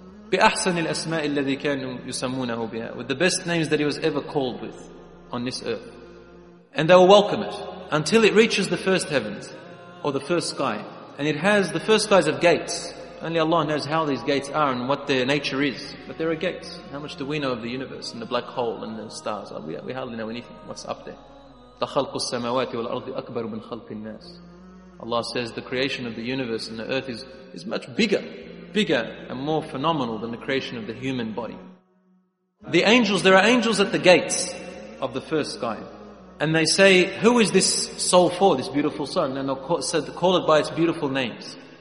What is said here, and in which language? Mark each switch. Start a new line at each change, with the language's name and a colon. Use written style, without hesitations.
Arabic: بأحسن الأسماء الذي كانوا يسمونه بها,
English: with the best names that he was ever called with on this earth. And they will welcome it until it reaches the first heavens or the first sky. And it has, the first skies have gates. Only Allah knows how these gates are and what their nature is. But there are gates. How much do we know of the universe and the black hole and the stars? We hardly know anything. What's up there?
Arabic: تخلق السماوات والأرض أكبر من خلق الناس.
English: Allah says the creation of the universe and the earth is much bigger. Bigger and more phenomenal than the creation of the human body. The angels, there are angels at the gates of the first sky. And they say, who is this soul for, this beautiful soul? And they call it by its beautiful names.